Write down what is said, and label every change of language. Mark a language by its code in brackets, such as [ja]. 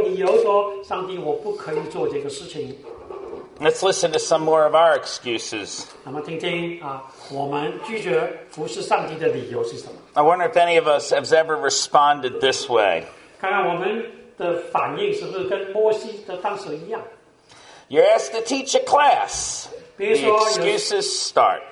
[zh] 这个就是开始了摩西的很多指口理由说上帝我不可以做这个事情。 [en] Let's listen to some more of our excuses. [zh] 那么听听我们拒绝服侍上帝的理由是什么。 [en] I wonder if any of us has ever responded this way. [zh] 看看我们的反应是不是跟摩西的当时一样。 [en] You're asked to teach a class. The excuses start.